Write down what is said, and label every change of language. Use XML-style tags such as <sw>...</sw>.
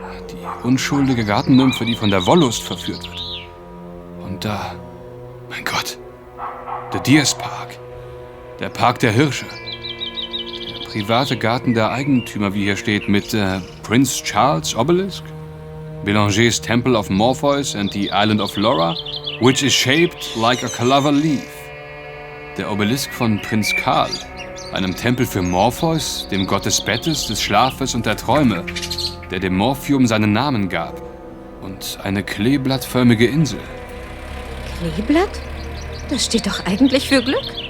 <de>Die unschuldige Gartennymphe, die von der Wollust verführt wird. Und da, mein Gott, der Deer's Park. Der Park der Hirsche. Der private Garten der Eigentümer, wie hier steht, mit Prince Charles Obelisk.</de> <en>Bélanger's Temple of Morpheus and the Island of Laura, which is shaped like a clover leaf.</en> <de>Der Obelisk von Prinz Karl. Einem Tempel für Morpheus, dem Gott des Bettes, des Schlafes und der Träume, der dem Morphium seinen Namen gab. Und eine kleeblattförmige Insel. Kleeblatt? Das steht doch eigentlich für Glück.</de>